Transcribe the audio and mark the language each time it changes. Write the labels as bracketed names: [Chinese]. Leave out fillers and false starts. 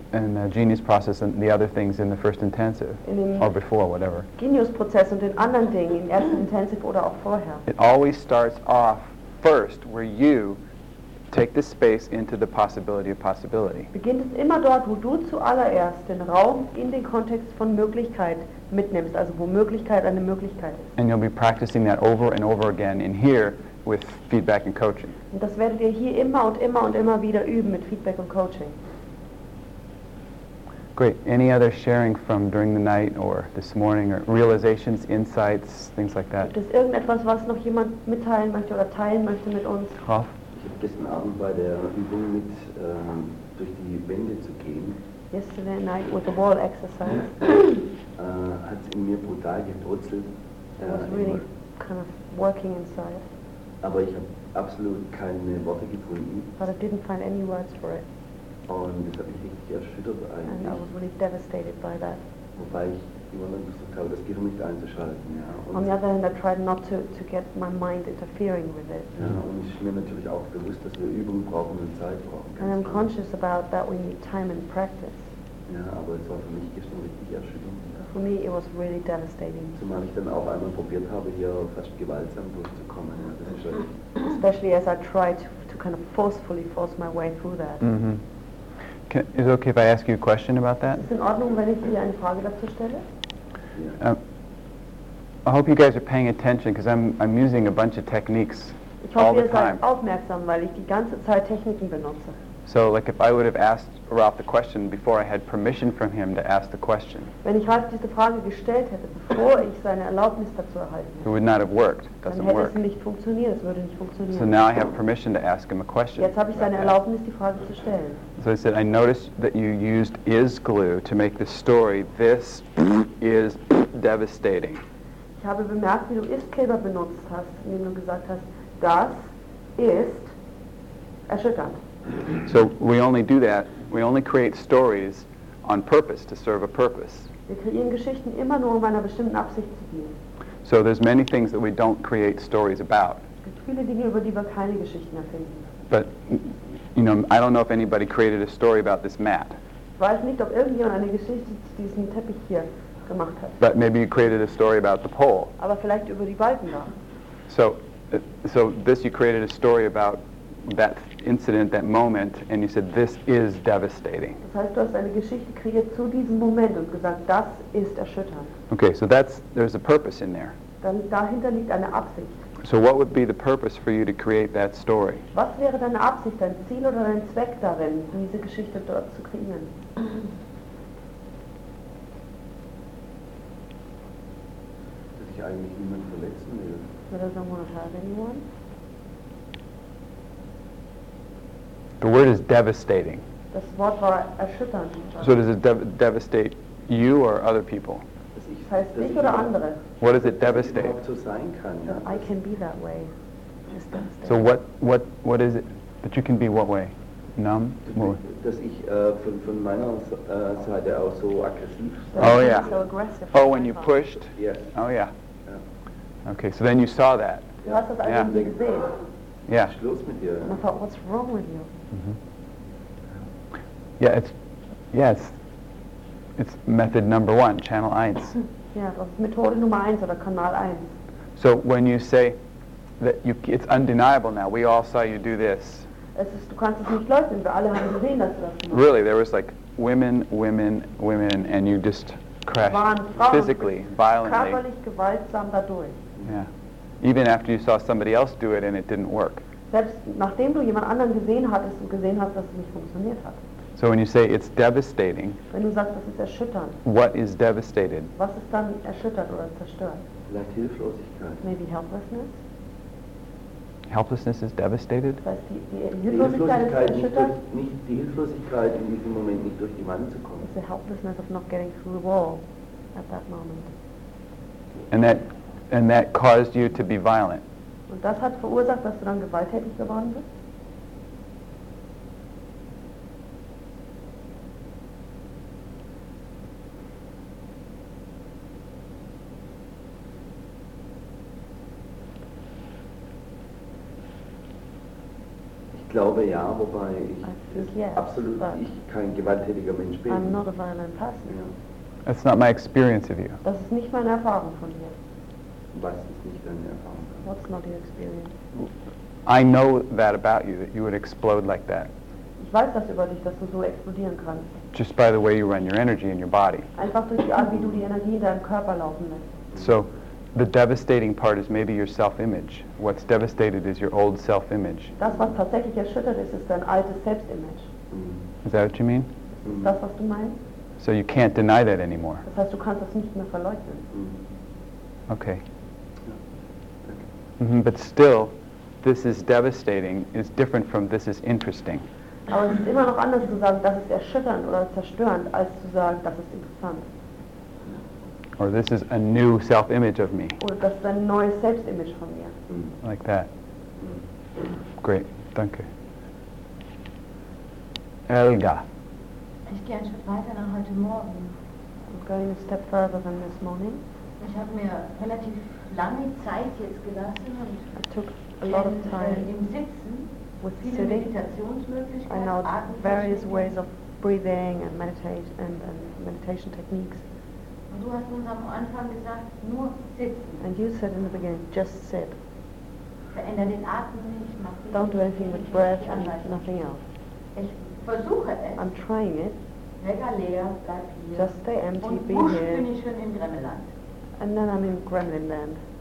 [English] And the Genius process and the other things in the first intensive. Or before, whatever. [German] Genius-Prozess und den anderen Dingen im ersten Intensive oder auch vorher. [English] It always starts off. First, where you take the space into the possibility of possibility. [German] Beginnt es immer dort, wo du zuallererst den Raum in den Kontext von Möglichkeit mitnimmst, also wo Möglichkeit eine Möglichkeit ist. [English] And you'll be practicing that over and over again in here with feedback and coaching. [German] Und das werdet ihr hier immer und immer und immer wieder üben mit Feedback und Coaching. [English] Great. Any other sharing from during the night or this morning or realizations, insights, things like that? [German] Gibt es irgendetwas, was noch jemand mitteilen möchte oder teilen möchte mit uns? Ich habe gestern Abend bei der Übung mit durch die Wände zu gehen. [English] Yesterday night with the wall exercise. [German] Hat in mir brutal gebrutzelt. [English] Was really kind of working inside. [German] Aber ich habe absolut keine Worte gefunden. [English] But I didn't find any words for it. [German] Und das hat mich richtig erschüttert eigentlich. [English] And I was really devastated by that. [German] Wobei ich immer noch versucht habe, das Gehirn nicht einzuschalten. Ja. [English] Und on the other hand, I tried not to get my mind interfering with it. [German] Ja, und ich bin mir natürlich auch bewusst, dass wir Übungen brauchen und Zeit brauchen. [English] And I'm conscious about that we need time and practice. [German] Ja, aber es war für mich gestern richtig erschütternd. [English] For me, it was really devastating. [German] Zumal ich dann auch einmal probiert habe, hier fast gewaltsam durchzukommen. Ja, das ist [English] especially as I tried to kind of forcefully force my way through that. Mm-hmm. Is it okay if I ask you a question about that? [German] Ist in Ordnung, wenn ich dir eine Frage dazu stelle? [English] I hope you guys are paying attention because I'm using a bunch of techniques [German] ich hoffe, [English] all the [German] ihr seid [English] time. [German] Aufmerksam, weil ich die ganze Zeit Techniken benutze. [English] So, like, if I would have asked Ralph the question before I had permission from him to ask the question, [German] wenn ich Ralph diese Frage gestellt hätte, bevor ich seine Erlaubnis dazu erhalten hätte, [English] it would not have worked. It doesn't [German] dann hätte [English] work. [German] Es nicht funktioniert. Es würde nicht funktionieren. [English] So now I have permission to ask him a question. [German] Jetzt habe ich seine Erlaubnis, die Frage zu stellen. [English] So I said, I noticed that you used is glue to make the story. This is devastating. [German] Ich habe bemerkt, wie du Ist-Kleber benutzt hast, indem du gesagt hast, das ist erschütternd. [English] So we only do that, we only create stories on purpose, to serve a purpose. [German] Wir kreieren Geschichten immer nur, um einer bestimmten Absicht zu dienen. [English] So there's many things that we don't create stories about. [German] Es gibt viele Dinge, über die wir keine Geschichten erfinden. [English] But, you know, I don't know if anybody created a story about this mat. [German] Ich weiß nicht, ob irgendjemand eine Geschichte zu diesem Teppich hier gemacht hat. [English] But maybe you created a story about the pole. [German] Aber vielleicht über die Balken da. [English] So this you created a story about that incident, that moment, and you said, this is devastating. [German] Das heißt, du hast eine Geschichte kreiert zu diesem Moment und gesagt, das ist erschütternd. [English] Okay, so there's a purpose in there. [German] Dann dahinter liegt eine Absicht. [English] So what would be the purpose for you to create that story? [German] Was wäre deine Absicht, dein Ziel oder dein Zweck darin, diese Geschichte dort zu kreieren? Dass ich eigentlich niemanden verletzen will. [English] That I don't want to hurt anyone. The word is devastating. [German] Das Wort war erschütternd. [English] So does it devastate you or other people? [German] Das heißt dich oder andere. [English] What does it devastate? [German] So sein kann, ja. [English] I can be that way. So what is it that you can be what way? Numb? [German] Dass ich von meiner Seite auch so aggressiv. [English] Oh yeah. So aggressive. Oh, when you pushed? Yes. Oh yeah. Okay, so then you saw that. [German] Du hast das [English] yeah. [German] Eigentlich gesehen. [English] Yeah. And I thought, what's wrong with you? Mm-hmm. Yeah, it's method number one, channel eins. Yeah, that's [German] Methode Nummer eins oder Kanal eins. [English] So when you say that it's undeniable now, we all saw you do this. [German] Es ist, du kannst es nicht leugnen, wir alle haben gesehen, dass du das gemacht. [English] Really, there was like women, and you just crashed physically, violently. [German] Körperlich gewaltsam dadurch. [English] Yeah. Even after you saw somebody else do it and it didn't work. [German] Selbst nachdem du jemand anderen gesehen hattest und gesehen hast, dass es nicht funktioniert hat. [English] So when you say it's devastating, [German] wenn du sagst, das ist erschütternd, [English] what is devastated? [German] Was ist dann erschüttert oder zerstört? Vielleicht Hilflosigkeit. [English] Maybe helplessness? Helplessness is devastated? [German] Die Hilflosigkeit in diesem Moment nicht durch die Wand zu kommen. [English] It's the helplessness of not getting through the wall at that moment. And that caused you to be violent. [German] Und das hat verursacht, dass du dann gewalttätig geworden bist? Ich glaube ja, wobei ich [English] yes, [German] absolut ich kein gewalttätiger Mensch bin. [English] I'm not a violent person. Yeah. That's not my experience of you. [German] Das ist nicht meine Erfahrung von dir. Was ist nicht deine Erfahrung? [English] What's not your experience? I know that about you, that you would explode like that. [German] Ich weiß das über dich, dass du so explodieren kannst. [English] Just by the way you run your energy in your body. [German] Einfach durch die Art, wie du die Energie in deinem Körper laufen lässt. [English] So, the devastating part is maybe your self-image. What's devastated is your old self-image. [German] Das, was tatsächlich erschüttert ist, ist dein altes Selbstimage. [English] Mm-hmm. Is that what you mean? [German] Mm-hmm. Das, was du meinst? [English] So you can't deny that anymore. [German] Das heißt, du kannst das nicht mehr verleugnen. Mm-hmm. [English] Okay. Mm-hmm, but still, this is devastating is different from this is interesting. [German] Aber es ist immer noch anders zu sagen, das ist erschütternd oder zerstörend, als zu sagen, das ist interessant. [English] Or this is a new self-image of me. [German] Oder das ist ein neues Selbstimage von mir. [English] Like that. Great, danke. Elga. [German] Ich gehe einen Schritt weiter nach heute Morgen. [English] I'm going a step further than this morning. [German] Ich habe mir relativ lange Zeit jetzt gelassen und [English] I took a lot of time [German] im Sitzen [English] with [German] viele [English] sitting. [German] Meditationsmöglichkeiten, [English] I know various ways of breathing and meditation techniques. [German] Und du hast uns am Anfang gesagt, nur sitzen. [English] And you said in the beginning, just sit. [German] Veränder den Atem nicht, mach [English] don't do anything with breath and nothing else. [German] Ich Versuche es. [English] I'm trying it. [German] Leger leer, bleib hier. [English] Just stay empty, [German] und [English] be here. [German] Und wusch bin ich schon in Gremlinland. [English] And then I'm in Gremlinland.